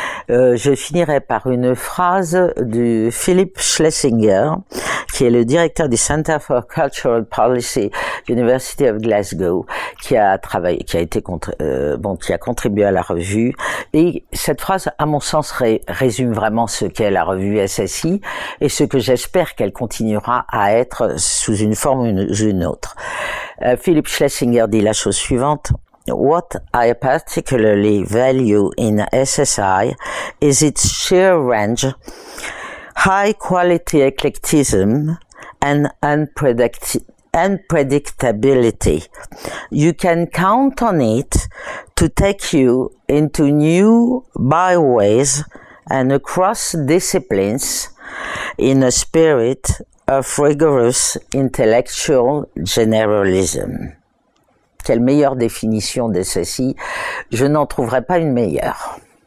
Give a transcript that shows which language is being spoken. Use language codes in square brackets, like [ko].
[fr] Je finirai par une phrase de Philip Schlesinger, qui est le directeur du Center for Cultural Policy, University of Glasgow, qui a été qui a contribué à la revue. Et cette phrase, à mon sens, résume vraiment ce qu'est la revue SSI et ce que j'espère qu'elle continuera à être sous une forme ou une autre. Philip Schlesinger dit la chose suivante. [en] What I particularly value in SSI is its sheer range, high quality eclecticism, and unpredictability. You can count on it to take you into new byways and across disciplines in a spirit of rigorous intellectual generalism. [fr] Quelle meilleure définition de ceci? Je n'en trouverai pas une meilleure.